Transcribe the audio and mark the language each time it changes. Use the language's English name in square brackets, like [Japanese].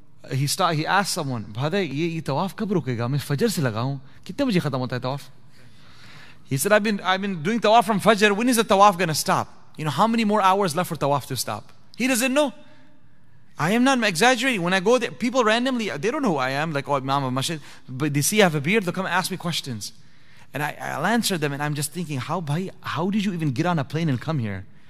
[English] He asked someone, [Urdu] "Bhade, ye tawaf kab rukega? میں فجر سے لگا ہوں۔ کتنے بجے ختم ہوتا ہے طواف؟" [English] He said, I've been doing tawaf from fajr. When is the tawaf going to stop? You know, how many more hours left for tawaf to stop? He doesn't know. I am not exaggerating. When I go there, people randomly, they don't know who I am, like, oh, Imam of Masjid. But they see I have a beard, they'll come and ask me questions. And I'll answer them, and I'm just thinking, how did you even get on a plane and come here?